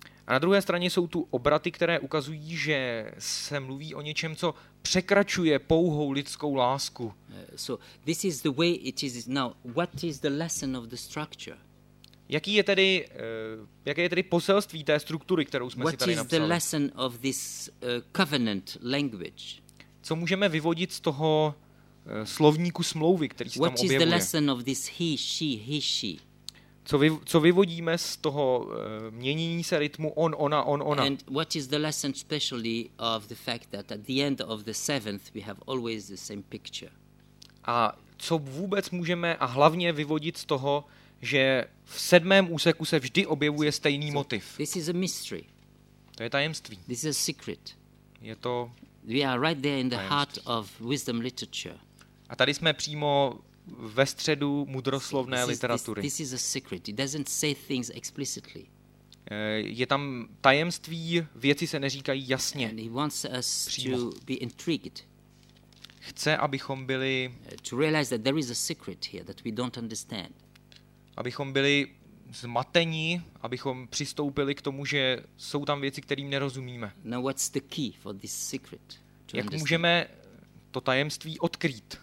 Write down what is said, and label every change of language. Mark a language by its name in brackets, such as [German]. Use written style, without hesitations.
[Czech] A na druhé straně jsou tu obraty, které ukazují, že se mluví o něčem, co překračuje pouhou lidskou lásku. [English] So this is the way it is now. What is the lesson of the structure? [Czech] Jaké je tedy poselství té struktury, kterou jsme [English] what [Czech] si tady napsali? [English] What is the lesson of this covenant language? [Czech] Co můžeme vyvodit z toho slovníku smlouvy, který se tam objevuje? [English] What is the lesson of this he, she? [Czech] Co vyvodíme z toho měnění se rytmu on, ona, on, ona? [English] And what is the lesson especially of the fact that at the end of the seventh we have always the same picture? [Czech] A co vůbec můžeme a hlavně vyvodit z toho, že v sedmém úseku se vždy objevuje stejný motiv? [English] This is a mystery. [Czech] To je tajemství. [English] This is a secret. [Czech] Je to [English] we are right there in the heart of wisdom literature. [Czech] A tady jsme přímo ve středu mudroslovné literatury. [English] This is a secret. It doesn't say things explicitly. [Czech] Je tam tajemství, věci se neříkají jasně. [English] And he wants us to be intrigued. [Czech] Chce, abychom byli [English] to realize that there is a secret here that we don't understand. [Czech] Abychom byli zmateni, abychom přistoupili k tomu, že jsou tam věci, kterým nerozumíme. [English] Now what's the key for this secret? [Czech] Jak můžeme to tajemství odkrýt?